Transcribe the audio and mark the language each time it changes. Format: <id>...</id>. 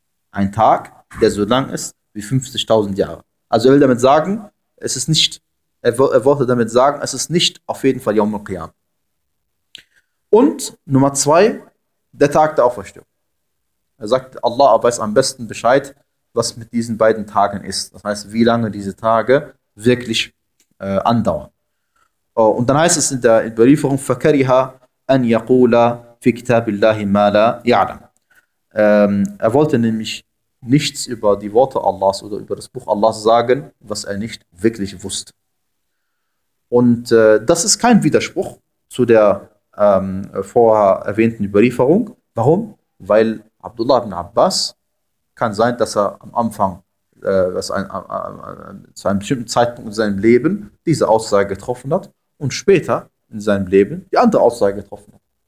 <de>Ein Tag, der so lang ist wie 50.000 Jahre. Also er will damit sagen, es ist nicht auf jeden Fall Yawm al-Qiyam. Und Nummer zwei, der Tag der Auferstehung. Er sagt, Allah weiß am besten Bescheid, was mit diesen beiden Tagen ist. Das heißt, wie lange diese Tage wirklich andauern. Und dann heißt es in der Überlieferung,</de> <ar>فَكَرِهَا أَنْ يَقُولَ فِي كِتَابِ اللَّهِ مَا لَا يَعْلَمُ.</ar> <de>Er wollte nämlich nichts über die Worte Allahs oder über das Buch Allahs sagen, was er nicht wirklich wusste. Und das ist kein Widerspruch zu der vorher erwähnten Überlieferung. Warum? Weil Abdullah ibn Abbas kann sein, dass er am Anfang zu einem bestimmten Zeitpunkt in seinem Leben diese Aussage getroffen hat und später in seinem Leben die andere Aussage getroffen hat.</de>